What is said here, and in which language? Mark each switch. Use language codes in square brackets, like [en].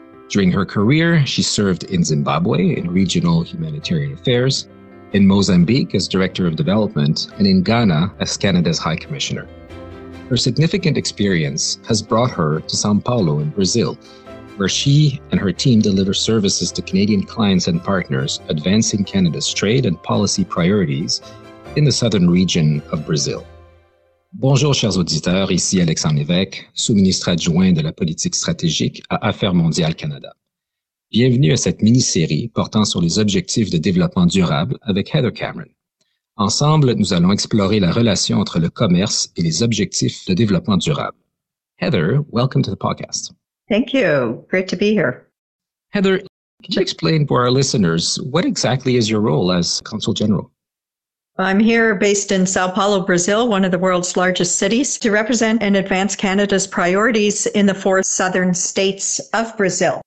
[en] During her career, she served in Zimbabwe in regional humanitarian affairs, in Mozambique as director of development, and in Ghana as Canada's High Commissioner. Her significant experience has brought her to São Paulo in Brazil, where she and her team deliver services to Canadian clients and partners, advancing Canada's trade and policy priorities in the southern region of Brazil. [fr] Bonjour, chers auditeurs, ici Alexandre Lévesque, sous-ministre adjoint de la politique stratégique à Affaires mondiales Canada. Bienvenue à cette mini-série portant sur les objectifs de développement durable avec Heather Cameron. Ensemble, nous allons explorer la relation entre le commerce et les objectifs de développement durable. [en] Heather, welcome to the podcast. Thank you. Great to be here. Heather, can you explain for our listeners what exactly is your role as Consul General? I'm here based in Sao Paulo, Brazil, one of the world's largest cities, to represent and advance Canada's priorities in the four southern states of Brazil.